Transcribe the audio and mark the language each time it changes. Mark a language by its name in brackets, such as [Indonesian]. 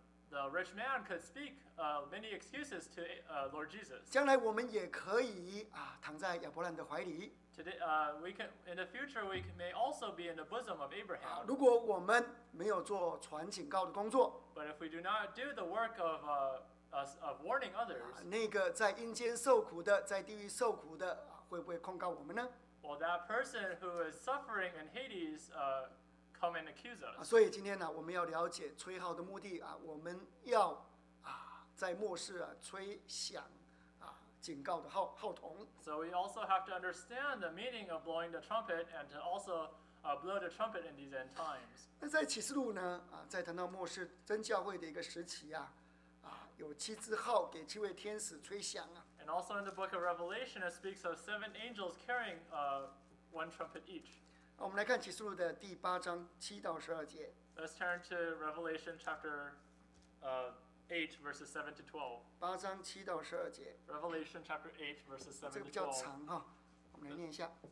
[English] The rich man could speak many excuses to Lord Jesus. [Chinese] 将来我们也可以躺在亚伯兰的怀里。 [English] Today, we can in the future we may also be in the bosom of Abraham. [Chinese] 如果我们没有做传警告的工作 [English] ，But if we do not do the work of warning others, [Chinese] 那个在阴间受苦的，在地狱受苦的，会不会控告我们呢 [English] ？Well, that person who is suffering in Hades, come and accuse us. [Chinese] 所以今天呢，我们要了解吹号的目的我们要在末世吹响警告的号筒。 [English] So we also have to understand the meaning of blowing the trumpet and to also blow the trumpet in these end times. [Chinese] 那在启示录呢在谈到末世真教会的一个时期有七支号给七位天使吹响 [English] And also in the book of Revelation, it speaks of seven angels carrying one trumpet each. [Chinese] 我们来看启示录的第八章七到十二节。 [English] Let's turn to Revelation chapter 8, verses 7 to 12. [Chinese] 八章七到十二节。 [English] Revelation chapter 8, verses 7 to 12. [Chinese] 这个比较长哈，我们来念一下。